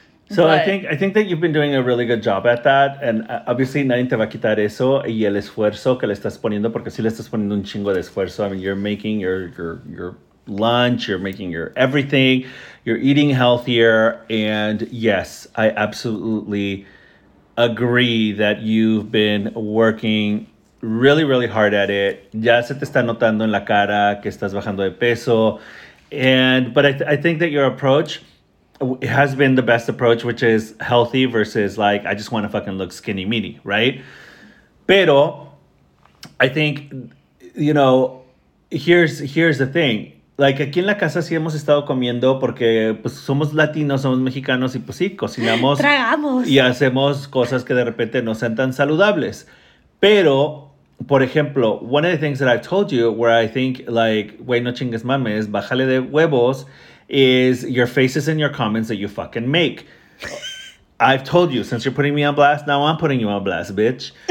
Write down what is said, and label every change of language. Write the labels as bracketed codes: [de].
[en] So but I think that you've been doing a really good job at that. And obviously, [es] nadie te va a quitar eso y el esfuerzo que le estás poniendo, porque si le estás poniendo un chingo de esfuerzo. [en] I mean, you're making your lunch, you're making your everything, you're eating healthier. And yes, I absolutely agree that you've been working really, really hard at it. [es] Ya se te está notando en la cara que estás bajando de peso. [en] But I think that your approach, it has been the best approach, which is healthy versus like, I just want to fucking look skinny meaty, right? Pero I think, you know, here's the thing. [es] Like, aquí en la casa sí hemos estado comiendo porque pues somos latinos, somos mexicanos y pues sí, cocinamos. Tragamos. Y hacemos cosas que de repente no sean tan saludables. Pero, por ejemplo, [en] one of the things that I've told you where I think like, [es] güey, no chingues mames, bájale de huevos, [en] is your faces and your comments that you fucking make. I've told you, since you're putting me on blast, now I'm putting you on blast, bitch.